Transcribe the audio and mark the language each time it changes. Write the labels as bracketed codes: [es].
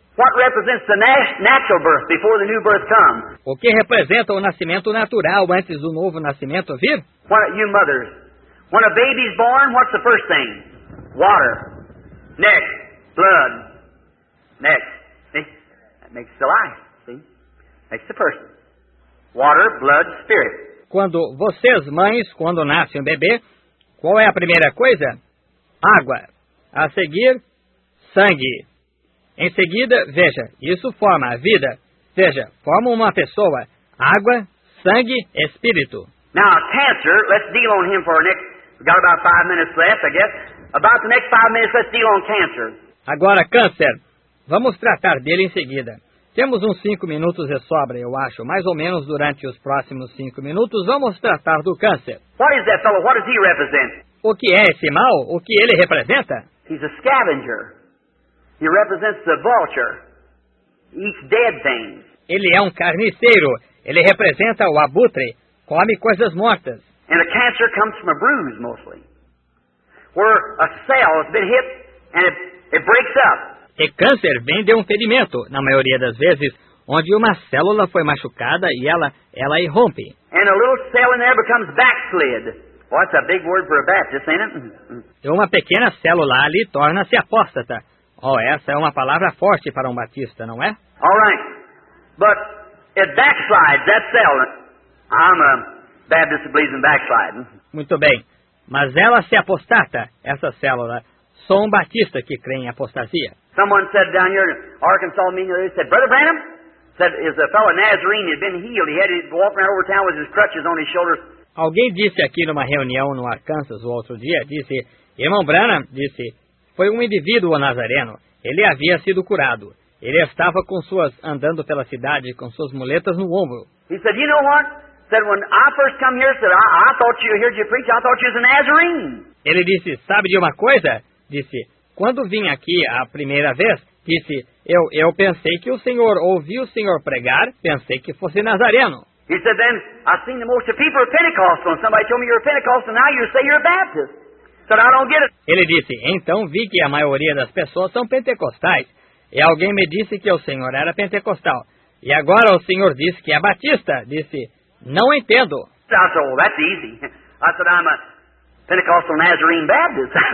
[en] What represents the natural birth before the new birth comes? [pt] O que representa o nascimento natural antes do novo nascimento vir? [en] What you mothers, when a baby's born, what's the first thing? Water. Next, blood. Next. Makes the life, see? Makes the person. Water, blood, spirit. [pt] Quando vocês, mães, quando nasce um bebê, qual é a primeira coisa? Água. A seguir, sangue. Em seguida, veja, isso forma a vida. Veja, forma uma pessoa. Água, sangue, espírito. [en] Now, cancer, let's deal on him for the next... We've got about 5 minutes left, I guess. About the next 5 minutes, let's deal on cancer. [pt] Agora, câncer. Vamos tratar dele em seguida. Temos uns 5 minutos de sobra, eu acho. Mais ou menos durante os próximos 5 minutos, vamos tratar do câncer. [en] What is that fellow? What does he represent? [pt] O que é esse mal? O que ele representa? [en] He's a scavenger. He represents the vulture. He eats dead things. [pt] Ele é um carniceiro. Ele representa o abutre. Come coisas mortas. [en] And a cancer comes from a bruise, mostly. Where a cell has been hit and it breaks up. [pt] E câncer vem de um ferimento, na maioria das vezes, onde uma célula foi machucada e ela irrompe. [en] And a little cell in there becomes backslid. Well, that's a big word for a Baptist, ain't it? [pt] E uma pequena célula ali torna-se apóstata. Oh, essa é uma palavra forte para um batista, não é? [en] All right. But it backslides, that cell. I'm a Baptist who believes in backsliding. [pt] Muito bem. Mas ela se apostata, essa célula. Sou um batista que crê em apostasia. [en] Someone said down here in Arkansas meeting, they said, Brother Branham, said, is a fellow Nazarene, he'd been healed. He had to walk around over town with his crutches on his shoulders. [pt] Alguém disse aqui numa reunião no Arkansas o outro dia, disse, Irmão Branham, disse, foi um indivíduo nazareno. Ele havia sido curado. Ele estava com suas, andando pela cidade, com suas muletas no ombro. [en] He said, you know what? Said, when I first come here, said, I thought you heard you preach, I thought you was a Nazarene. [pt] Ele disse, sabe de uma coisa? Disse, quando vim aqui a primeira vez, disse, eu pensei que o senhor, ouvi o senhor pregar, pensei que fosse nazareno. [en] He said, then, I've seen the most of people are Pentecostal, and somebody told me you're a Pentecostal, now you say you're a Baptist. Said, I don't get it. [pt] Ele disse, então vi que a maioria das pessoas são pentecostais, e alguém me disse que o senhor era pentecostal, e agora o senhor disse que é batista. Disse, não entendo. [en] I said, well, that's easy. I said, I'm a Pentecostal Nazarene Baptist.